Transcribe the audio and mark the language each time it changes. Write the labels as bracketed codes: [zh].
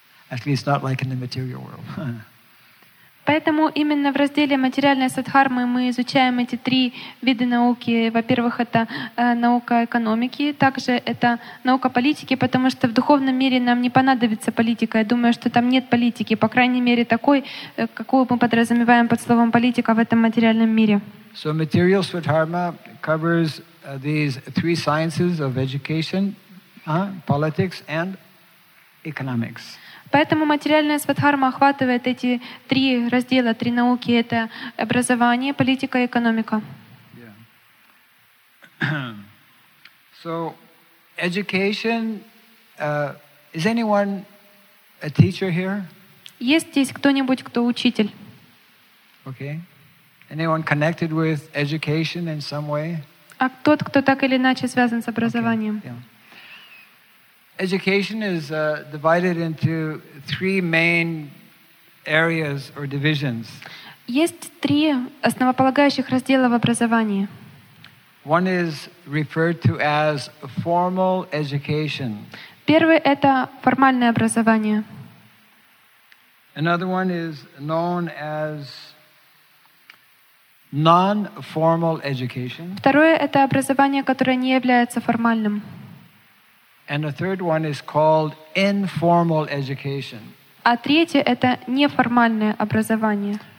[en] At least not like in the material world. [ru] Поэтому именно в разделе материальной садхармы мы изучаем эти три вида науки. Во-первых, это наука экономики, также это наука политики, потому что в духовном мире нам не понадобится политика. Я думаю, что там нет политики, по крайней мере, такой, какую мы подразумеваем под словом политика в этом материальном мире. [en] So material sadharma covers these three sciences of education, politics and economics. [ru] Поэтому материальная свадхарма охватывает эти три раздела, три науки. Это образование, политика и экономика. [en] So, education, is anyone a teacher here? [ru] Есть здесь кто-нибудь, кто учитель? [en] Okay. Anyone connected with education in some way? [ru] А тот, кто так или иначе связан с образованием? [en] Okay. Yeah. Education is divided into three main areas or divisions. [ru] Есть три основополагающих раздела в образовании. [en] One is referred to as formal education. [ru] Первый — это формальное образование. [en] Another one is known as non-formal education. [ru] Второе — это образование, которое не является формальным. [en] And the third one is called informal education. [ru] А третье — это неформальное образование.